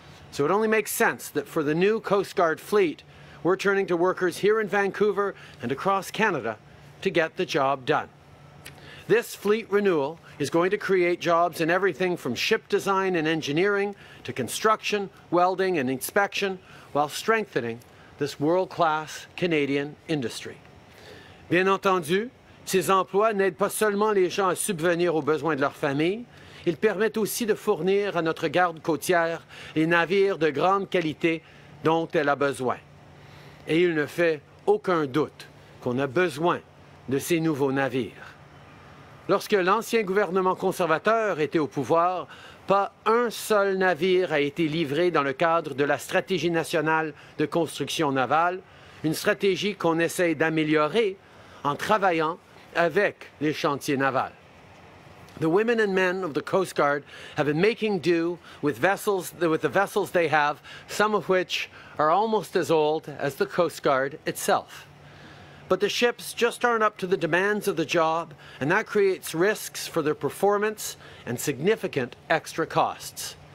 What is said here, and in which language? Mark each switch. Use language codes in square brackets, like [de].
[en] So it only makes sense that for the new Coast Guard fleet, we're turning to workers here in Vancouver and across Canada to get the job done. This fleet renewal is going to create jobs in everything from ship design and engineering to construction, welding, and inspection, while strengthening this world-class Canadian industry. [fr] Bien entendu, ces emplois n'aident pas seulement les gens à subvenir aux besoins de leur famille, ils permettent aussi de fournir à notre garde côtière les navires de grande qualité dont elle a besoin. Et il ne fait aucun doute qu'on a besoin de ces nouveaux navires. Lorsque l'ancien gouvernement conservateur était au pouvoir, pas un seul navire a été livré dans le cadre de la stratégie nationale de construction navale, une stratégie qu'on essaie d'améliorer en travaillant avec les chantiers navals. [en] The women and men of the Coast Guard have been making do with the vessels they have, some of which are almost as old as the Coast Guard itself. But the ships just aren't up to the demands of the job, and that creates risks for their performance and significant extra costs.